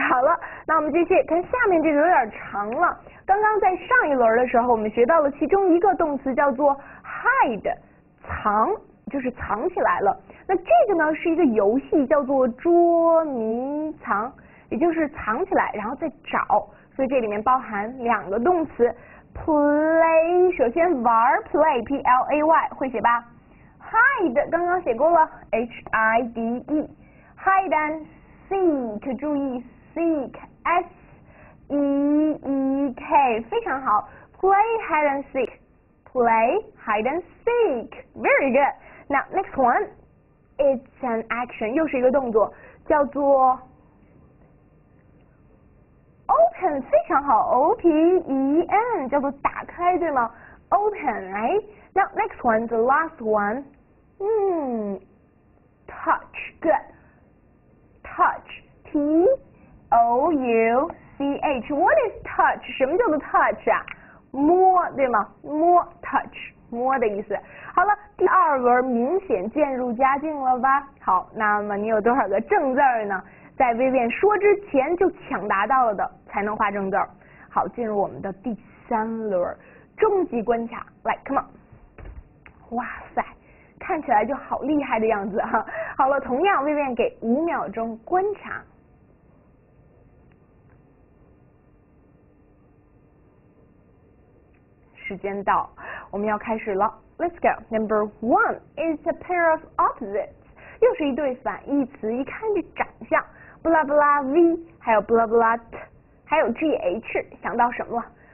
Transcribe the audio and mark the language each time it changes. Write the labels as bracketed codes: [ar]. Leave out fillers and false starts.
[zh] 好了，那我们继续看下面这个有点长了。刚刚在上一轮的时候，我们学到了其中一个动词叫做 hide，藏。就是藏起来了。那这个呢是一个游戏，叫做捉迷藏，也就是藏起来，然后再找。所以这里面包含两个动词，play。首先玩，play P L A Y 会写吧？Hide 刚刚写过了，H I D E， [en] Hide and seek， [zh] 注意 seek S E E K，非常好。 [en] Play hide and seek，play hide and seek，very good。 Now next one, it's an action， [zh] 又是一个动作，叫做 open，非常好，O P E N，叫做打开，对吗？Open，right? [en] Now next one, the last one, touch, good, touch, T O U touch. What is touch? [zh] 什么叫做 touch 啊？摸，对吗？摸 touch， 摸的意思。好了，第二个明显渐入佳境了吧？好，那么你有多少个正字呢？在 Vivian 说之前就抢答到了的才能画正字。好，进入我们的第三轮终极关卡，来 ， [en] come on！ [zh] 哇塞，看起来就好厉害的样子哈。好了，同样 Vivian 给五秒钟观察。时间到，我们要开始了。 [en] Let's go. Number one is a pair of opposites. [zh] 又是一对反义词，一看这长相 ，blah blah v， 还有 blah blah t， 还有 gh， 想到什么了？